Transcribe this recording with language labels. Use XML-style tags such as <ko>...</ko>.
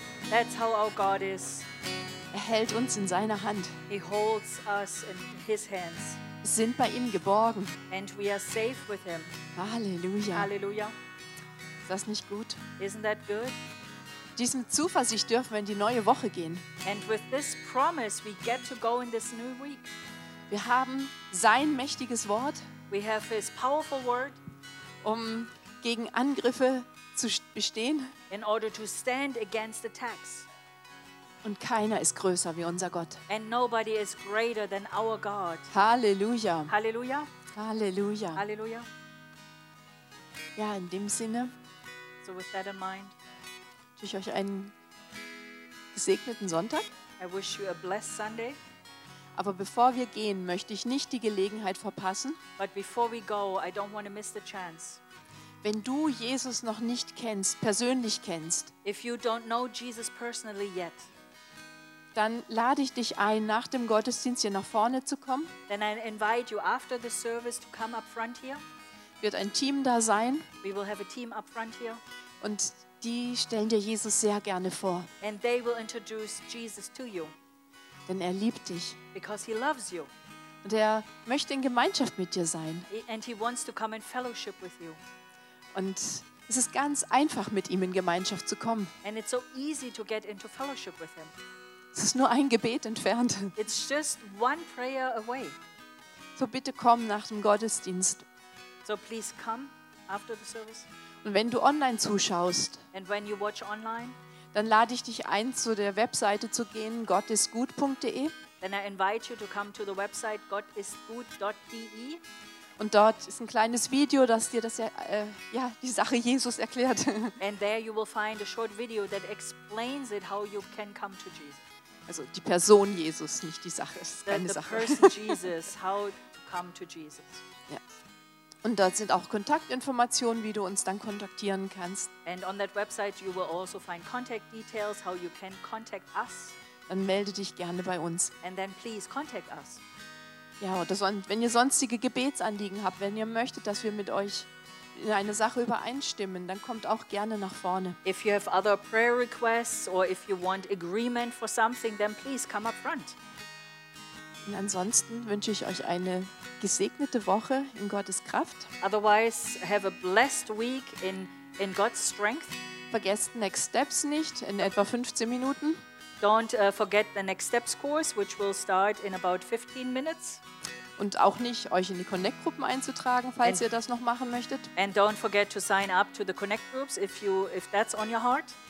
<en>That's how our God is.</en> <de>Er hält uns in seiner Hand.</de> <en>He holds us in his hands.</en> <de>Sind bei ihm geborgen.</de> <en>And we are safe with him.</en> <de>Halleluja.</de> <en>Halleluja.</en> <de>Ist das nicht gut?</de> <en>Isn't that good?</en> <de>Diesem Zuversicht dürfen wir in die neue Woche gehen.</de> <en>And with this promise we get to go in this new week.</en> <de>Wir haben sein mächtiges Wort.</de> <en>We have his powerful word.</en> <de>Um gegen Angriffe zu bestehen.</de> <en>In order to stand against attacks.</en> <de>Und keiner ist größer wie unser Gott.</de> <en>And nobody is greater than our God.</en> <de>Halleluja.</de> <en>Halleluja.</en> <de>Halleluja.</de> <en>Halleluja.</en> <de>Ja, in dem Sinne.</de> <en>So with that in mind.</en> <de>Wünsche ich euch einen gesegneten Sonntag.</de> <en>I wish you a blessed Sunday.</en> <de>Aber bevor wir gehen, möchte ich nicht die Gelegenheit verpassen.</de> <en>But before we go, I don't want to miss the chance.</en> <de>Wenn du Jesus noch nicht kennst, persönlich kennst.</de> <en>If you don't know Jesus personally yet.</en> <de>Dann lade ich dich ein, nach dem Gottesdienst hier nach vorne zu kommen.</de> <en>Then I invite you after the service to come up front here.</en> <de>Wird ein Team da sein.</de> <en>We will have a team up front here.</en> <de>Und die stellen dir Jesus sehr gerne vor.</de> <en>And they will introduce Jesus to you.</en> <de>Denn er liebt dich.</de> <en>Because he loves you.</en> <de>Und er möchte in Gemeinschaft mit dir sein.</de> <en>And he wants to come in fellowship with you.</en> <de>Und es ist ganz einfach, mit ihm in Gemeinschaft zu kommen.</de> <en>And it's so easy to get into fellowship with him.</en> <de>Es ist nur ein Gebet entfernt.</de> <en>It's just one prayer away.</en> <de>So bitte komm nach dem Gottesdienst.</de> <en>So please come after the service.</en> <de>Und wenn du online zuschaust,</de> <en>and when you watch online,</en> <de>dann lade ich dich ein, zu der Webseite zu gehen, gottisgut.de.</de> <en>Then I invite you to come to the website gottisgut.de.</en> <de>Und dort ist ein kleines Video, das dir das ja die Sache Jesus erklärt.</de> <en>And there you will find a short video that explains it how you can come to Jesus.</en> <de>Also die Person Jesus, nicht die Sache. Es ist keine</de> <en>the</en> <de>Sache.</de> <en>Person Jesus, how to come to Jesus.</en> <de>Ja. Und dort sind auch Kontaktinformationen, wie du uns dann kontaktieren kannst.</de> <en>And on that website you will also find contact details, how you can contact us.</en> <de>Dann melde dich gerne bei uns.</de> <en>And then please contact us.</en> <de>Ja, oder wenn ihr sonstige Gebetsanliegen habt, wenn ihr möchtet, dass wir mit euch in eine Sache übereinstimmen, dann kommt auch gerne nach vorne.</de> <en>If you have other prayer requests or if you want agreement for something, then please come up front.</en> <de>Und ansonsten wünsche ich euch eine gesegnete Woche in Gottes Kraft.</de> <en>Otherwise, have a blessed week in God's strength.</en> <de>Vergesst Next Steps nicht in etwa 15 Minuten.</de> <en>Don't forget the Next Steps course, which will start in about 15 minutes.</en> <de>Und auch nicht, euch in die Connect-Gruppen einzutragen, falls ihr das noch machen möchtet.</de> <en>And don't forget to sign up to the Connect-Groups, if that's on your heart.</en>